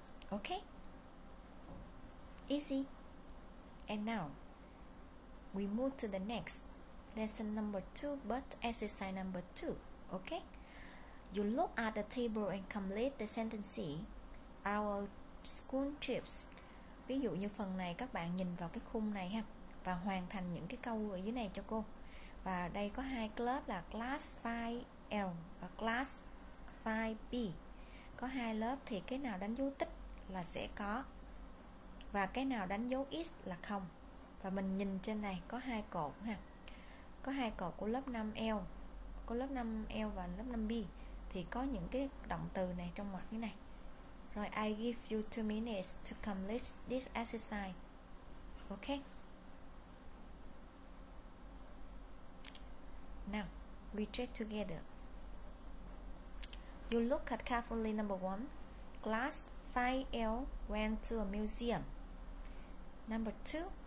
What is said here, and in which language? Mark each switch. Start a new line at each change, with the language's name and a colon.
English: Okay? Easy. And now, we move to the next. Lesson number 2, but exercise number 2. Okay? You look at the table and complete the sentence. Our school trips.
Vietnamese: Ví dụ như phần này, các bạn nhìn vào cái khung này ha. Và hoàn thành những cái câu ở dưới này cho cô. Và đây có hai lớp là class 5L và class 5B. Có hai lớp thì cái nào đánh dấu tích là sẽ có. Và cái nào đánh dấu X là không. Và mình nhìn trên này có hai cột ha. Có hai cột của lớp 5L. Có lớp 5L và lớp 5B. Thì có những cái động từ này trong mặt như này.
English: Rồi I give you 2 minutes to complete this exercise. Okay. Now, we check together. You look at carefully number 1. Class 5L went to a museum. Number 2.